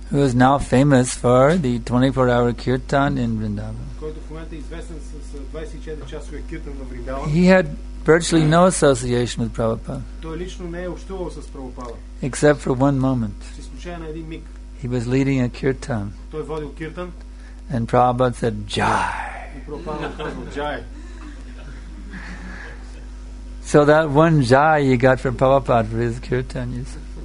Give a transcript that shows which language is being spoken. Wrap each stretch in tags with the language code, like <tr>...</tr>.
<en>who is now famous for the 24-hour kirtan in Vrindavan.</en> <bg>Който в момента е известен с 24-часовия киртан в Вриндаван.</bg> <en>He had virtually no association with Prabhupada.</en> <bg>Той лично не е общувал с Прабхупада.</bg> <en>Except for one moment.</en> <bg>С изключение на един миг.</bg> <en>He was leading a kirtan.</en> <bg>Той водил киртан.</bg> <en>And Prabhupada said, "Jai."</en> <bg>И Прабхупада казал, "Jai."</bg> <en>So that one jai he got from Prabhupada for his kirtan, you see.</en>